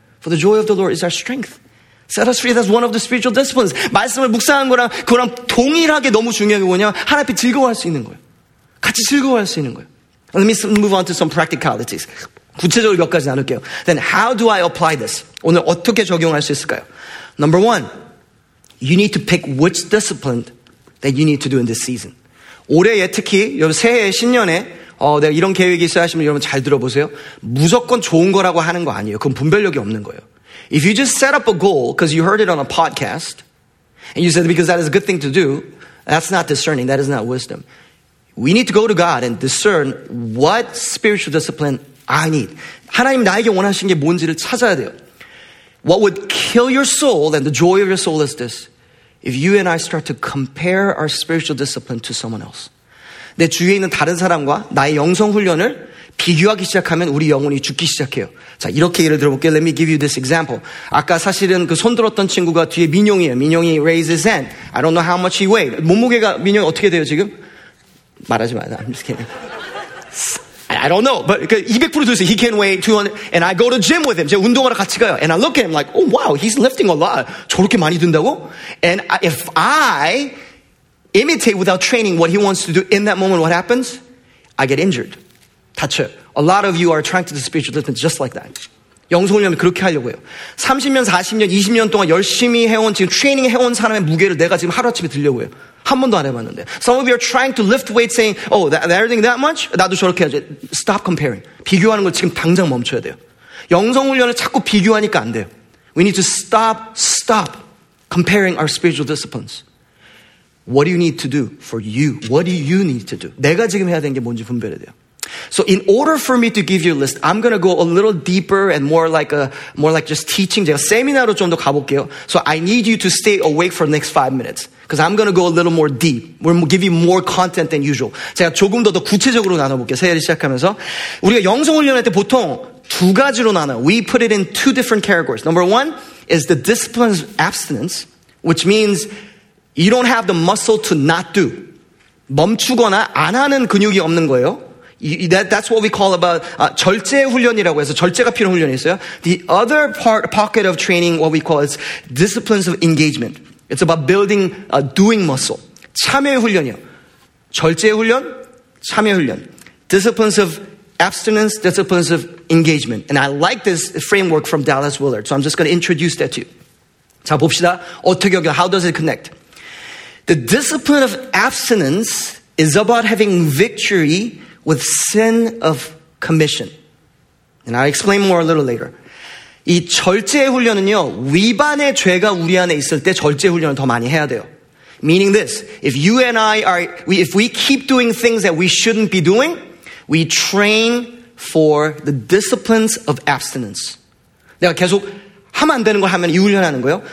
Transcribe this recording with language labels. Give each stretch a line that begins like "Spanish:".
English: For the joy of the Lord is our strength. Set us free. That's one of the spiritual disciplines.
Korean: 말씀을 묵상한 거랑 그거랑 동일하게 너무 중요한 게 뭐냐? 하나님께 즐거워할 수 있는 거예요. 같이 즐거워할 수 있는 거예요.
English: Let me move on to some practicalities.
Korean: 구체적으로 몇 가지 나눌게요.
English: Then how do I apply this?
Korean: 오늘 어떻게 적용할 수 있을까요?
English: Number one, you need to pick which discipline that you need to do in this season.
Korean: 올해에 특히 여러분 새해 신년에 내가 이런 계획이 있어 하시면 여러분 잘 들어보세요. 무조건 좋은 거라고 하는 거 아니에요. 그건 분별력이 없는 거예요.
English: If you just set up a goal because you heard it on a podcast and you said because that is a good thing to do, that's not discerning. That is not wisdom. We need to go to God and discern what spiritual discipline I need.
Korean: 하나님 나에게 원하시는 게 뭔지를 찾아야 돼요.
English: What would kill your soul and the joy of your soul is this. If you and I start to compare our spiritual discipline to someone else.
Korean: 내 주위에 있는 다른 사람과 나의 영성훈련을 비교하기 시작하면 우리 영혼이 죽기 시작해요. 자, 이렇게 예를 들어볼게요.
English: Let me give you this example.
Korean: 아까 사실은 그 손 들었던 친구가 뒤에 민용이에요.
English: 민용이 raises his hand. I don't know how much he weighed.
Korean: 몸무게가 민용이 어떻게 돼요 지금? 말하지 마요.
English: I'm just kidding. I don't know. But 200%
Korean: 들었어요.
English: He can weigh 200. And I go to gym with him.
Korean: 제가 운동하러 같이 가요.
English: And I look at him like, oh wow, he's lifting a lot.
Korean: 저렇게 많이 든다고?
English: And if I imitate without training what he wants to do in that moment, what happens? I get injured.
Korean: 다쳐.
English: A lot of you are trying to do spiritual discipline just like that.
Korean: 영성훈련을 그렇게 하려고요. 30년, 40년, 20년 동안 열심히 해온 지금 트레이닝 해온 사람의 무게를 내가 지금 하루아침에 들려고 해요. 한 번도 안 해봤는데.
English: Some of you are trying to lift weights saying, oh, that, everything that much?
Korean: 나도 저렇게 하지.
English: Stop comparing.
Korean: 비교하는 걸 지금 당장 멈춰야 돼요. 영성훈련을 자꾸 비교하니까 안 돼요.
English: We need to stop comparing our spiritual disciplines. What do you need to do for you? What do you need to do?
Korean: 내가 지금 해야 되는 게 뭔지 분별해야 돼요.
English: So in order for me to give you a list, I'm going to go a little deeper and more like just teaching.
Korean: 제가 세미나로 좀 더 가볼게요.
English: So I need you to stay awake for the next 5 minutes. Because I'm going to go a little more deep. We're going to give you more content than usual.
Korean: 제가 조금 더 구체적으로 나눠볼게요. 새해를 시작하면서. 우리가 영성훈련할 때 보통 두 가지로 나눠요.
English: We put it in two different categories. Number one is the discipline of abstinence, which means you don't have the muscle to not do.
Korean: 멈추거나 안 하는 근육이 없는 거예요.
English: That's what we call about
Korean: 절제 훈련이라고 해서 절제가 필요한 훈련이 있어요.
English: The other part pocket of training, what we call is disciplines of engagement. It's about building a doing muscle.
Korean: 참여 훈련이요. 절제 훈련, 참여 훈련.
English: Disciplines of abstinence, disciplines of engagement. And I like this framework from Dallas Willard. So I'm just going to introduce that to you.
Korean: 자 봅시다. 어떻게 여기?
English: How does it connect? The discipline of abstinence is about having victory with sin of commission. And I'll explain more a little later.
Korean: 이 절제 훈련은요, 위반의 죄가 우리 안에 있을 때 절제 훈련을 더 많이 해야 돼요.
English: Meaning this, if you and I are, if we keep doing things that we shouldn't be doing, we train for the disciplines of abstinence.
Korean: 내가 계속 하면 안 되는 걸 하면 이 훈련 하는 거예요.